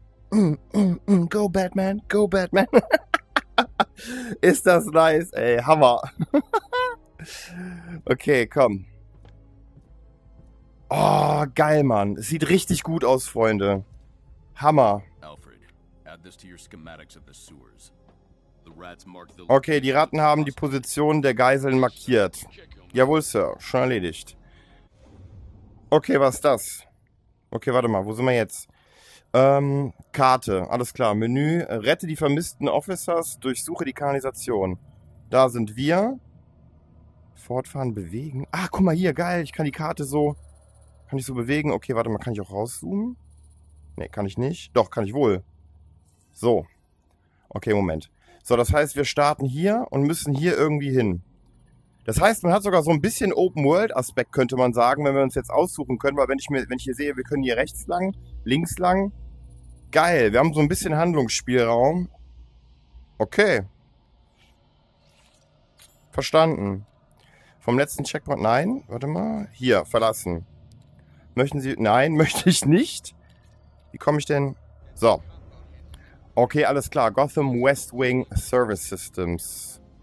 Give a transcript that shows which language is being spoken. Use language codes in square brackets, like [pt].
[en] Go Batman, go Batman. [de] Ist das nice, ey, Hammer. Okay, komm. Oh, geil, Mann. Es sieht richtig gut aus, Freunde. Hammer. [en] Alfred, add this to your schematics of the sewers. [de] Okay, die Ratten haben die Position der Geiseln markiert. Jawohl, Sir. Schon erledigt. Okay, was ist das? Okay, warte mal. Wo sind wir jetzt? Karte. Alles klar. Menü. Rette die vermissten Officers. Durchsuche die Kanalisation. Da sind wir. Fortfahren, bewegen. Ah, guck mal hier. Geil. Ich kann die Karte so... Kann ich so bewegen? Okay, warte mal. Kann ich auch rauszoomen? Ne, kann ich nicht. Doch, kann ich wohl. So. Okay, Moment. So, das heißt, wir starten hier und müssen hier irgendwie hin. Das heißt, man hat sogar so ein bisschen Open-World-Aspekt, könnte man sagen, wenn wir uns jetzt aussuchen können. Weil wenn ich hier sehe, wir können hier rechts lang, links lang. Geil, wir haben so ein bisschen Handlungsspielraum. Okay. Verstanden. Vom letzten Checkpoint, nein, warte mal. Hier, verlassen. Möchten Sie, nein, möchte ich nicht. Wie komme ich denn? So. Okay, alles klar. [en] Gotham West Wing Service Systems.